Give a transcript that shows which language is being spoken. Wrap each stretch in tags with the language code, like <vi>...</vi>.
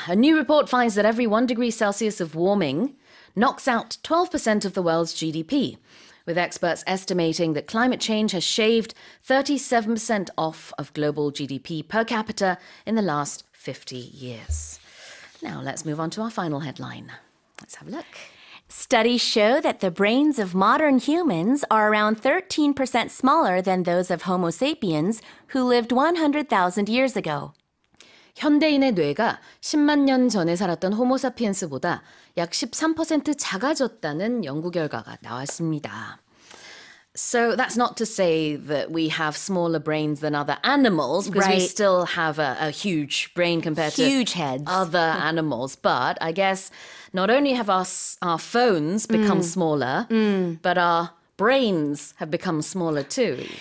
<en>A new report finds that every 1 degree Celsius of warming knocks out 12% of the world's GDP, with experts estimating that climate change has shaved 37% off of global GDP per capita in the last 50 years. Now let's move on to our final headline. Let's have a look. Studies show that the brains of modern humans are around 13% smaller than those of Homo sapiens, who lived 100,000 years ago.</en> <ko>현대인의 뇌가 10만 년 전에 살았던 호모사피엔스보다 약 13% 작아졌다는 연구 결과가 나왔습니다.</ko> <en>So that's not to say that we have smaller brains than other animals, because right. we still have a huge brain compared huge to heads. Other animals. But I guess not only have our phones become smaller, but our brains have become smaller too.</en>